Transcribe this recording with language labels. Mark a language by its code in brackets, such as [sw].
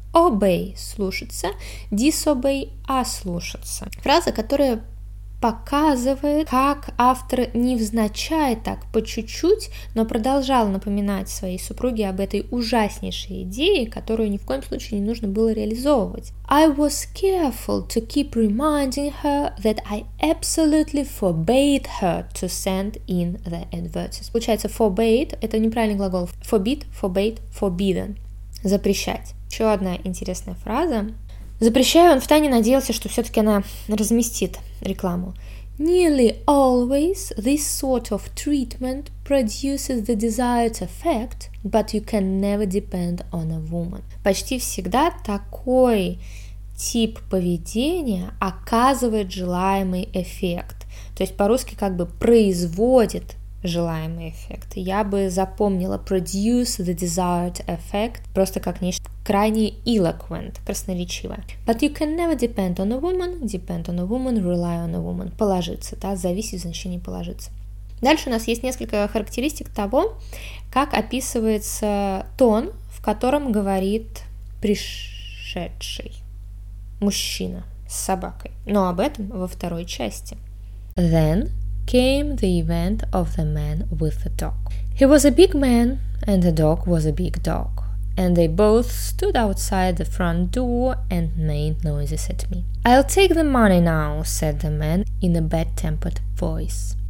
[en] Obey – [ru] слушаться, [en] disobey – [ru] ослушаться. Фраза, которая показывает, как автор невзначай так по чуть-чуть, но продолжал напоминать своей супруге об этой ужаснейшей идее, которую ни в коем случае не нужно было реализовывать. [en] I was careful to keep reminding her that I absolutely forbade her to send in the advertisement. [ru] Получается, forbade – это неправильный глагол. [en] Forbid, forbade, forbidden – [ru] запрещать. Еще одна интересная фраза. Запрещаю, он втайне надеялся, что все-таки она разместит рекламу. [en] Nearly always this sort of treatment produces the desired effect, but you can never depend on a woman. [ru] Почти всегда такой тип поведения оказывает желаемый эффект. То есть по-русски как бы производит желаемый эффект. Я бы запомнила [en] produce the desired effect [ru] просто как нечто крайне eloquent, красноречивое. [en] But you can never depend on a woman, rely on a woman. [ru] Положиться, да, зависит в значении положиться. Дальше у нас есть несколько характеристик того, как описывается тон, в котором говорит пришедший мужчина с собакой. Но об этом во второй части. [en] Then came the event of the man with the dog. He was a big man, and the dog was a big dog. And they both stood outside the front door and made noises at me. I'll take the money now, said the man in a bad-tempered voice.